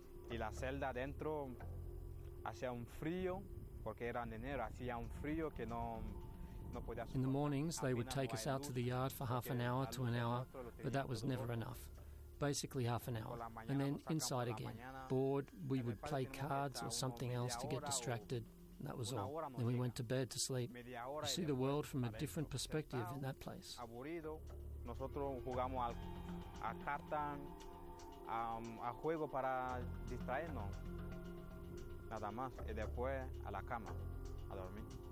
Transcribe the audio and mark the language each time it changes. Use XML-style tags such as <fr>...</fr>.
<es>Y la celda dentro hacía un frío porque era enero, hacía un frío que no podía.</es> <en>In the mornings they would take us out to the yard for half an hour to an hour, but that was never enough. Basically half an hour, and then inside again. Bored, we would play cards or something else to get distracted. That was all. Then we went to bed to sleep. You see the world from a different perspective in that place.</en> <es>Aburrido. Nosotros jugamos a carta. A juego para distraernos, nada más, y después a la cama, a dormir.</es>